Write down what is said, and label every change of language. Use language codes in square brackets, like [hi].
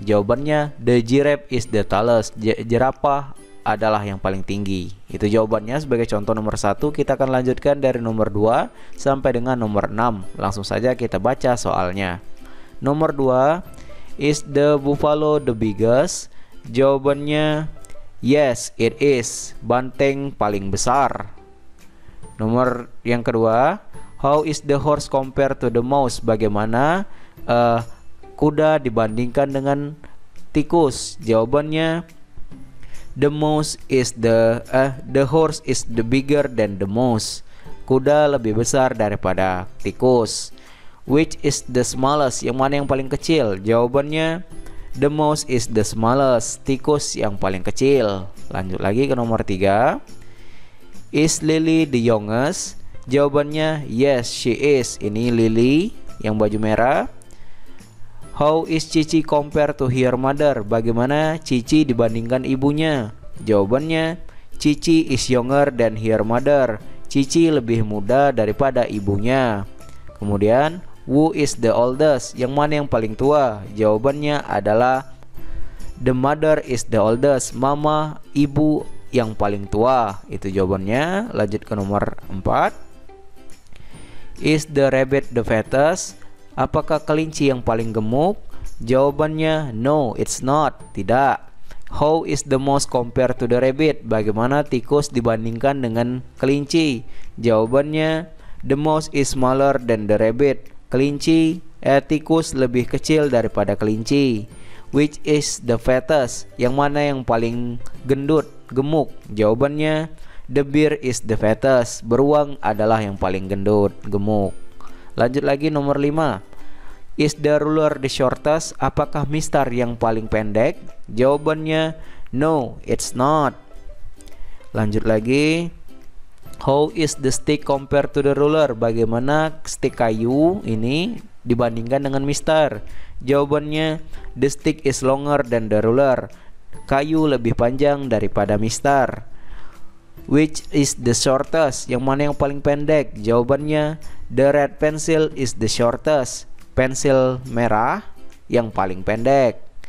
[id] Jawabannya [en] the giraffe is the tallest, [id] jerapah adalah yang paling tinggi. Itu jawabannya sebagai contoh nomor 1. Kita akan lanjutkan dari nomor 2 sampai dengan nomor 6. Langsung saja kita baca soalnya. Nomor 2, [en] is the buffalo the biggest? [id] Jawabannya [en] yes, it is, [id] banteng paling besar. Nomor yang kedua, [en] how is the horse compared to the mouse? [id] Bagaimana kuda dibandingkan dengan tikus? Jawabannya [en] the mouse is the horse is the bigger than the mouse, [id] kuda lebih besar daripada tikus. [en] Which is the smallest, [id] yang mana yang paling kecil? Jawabannya [en] the mouse is the smallest, [id] tikus yang paling kecil. Lanjut lagi ke nomor 3, [en] is Lily the youngest? [id] Jawabannya [en] yes she is, [id] ini Lily yang baju merah. [en] How is Cici compared to her mother? [id] Bagaimana Cici dibandingkan ibunya? Jawabannya [en] Cici is younger than her mother, [id] Cici lebih muda daripada ibunya. Kemudian [en] who is the oldest, [id] yang mana yang paling tua? Jawabannya adalah [en] the mother is the oldest, [id] mama ibu yang paling tua. Itu jawabannya. Lanjut ke nomor 4, [en] is the rabbit the fattest? [id] Apakah kelinci yang paling gemuk? Jawabannya [en] no, it's not, [id] tidak. [en] How is the mouse compared to the rabbit? [id] Bagaimana tikus dibandingkan dengan kelinci? Jawabannya [en] the mouse is smaller than the rabbit, [id] tikus lebih kecil daripada kelinci. [en] Which is the fattest, [id] yang mana yang paling gendut, gemuk? Jawabannya [en] the bear is the fattest, [id] beruang adalah yang paling gendut, gemuk. Lanjut lagi nomor 5, [en] is the ruler the shortest? [id] Apakah mister yang paling pendek? Jawabannya [en] no, it's not. [id] Lanjut lagi, [en] how is the stick compared to the ruler? [id] Bagaimana stick kayu ini dibandingkan dengan mister? Jawabannya [en] the stick is longer than the ruler, [id] kayu lebih panjang daripada mister. [en] Which is the shortest, [id] yang mana yang paling pendek? Jawabannya [en] the red pencil is the shortest, [id] pensil merah yang paling pendek.